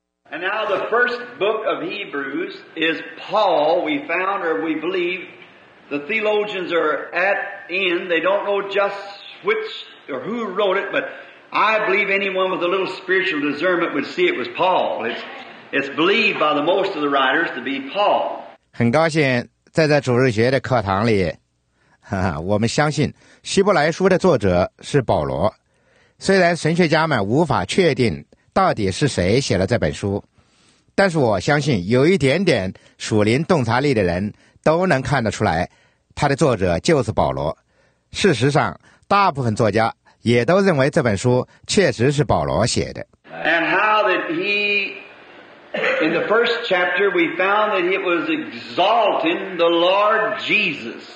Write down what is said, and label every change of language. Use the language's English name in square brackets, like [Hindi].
[English] And now the first book of Hebrews is Paul. We found, or we believe, the theologians are at end. They don't know just which or who wrote it, but I believe anyone with a little spiritual discernment would see it was Paul. It's believed by the most of the writers to be Paul. [Chinese] 很高兴在在主日学的课堂里，我们相信希伯来书的作者是保罗。虽然神学家们无法确定到底是谁写了这本书，但是我相信有一点点属灵洞察力的人都能看得出来他的作者就是保罗。事实上大部分作家也都认为这本书确实是保罗写的。 [English] And how that he in the first chapter we found that it was exalting the Lord Jesus.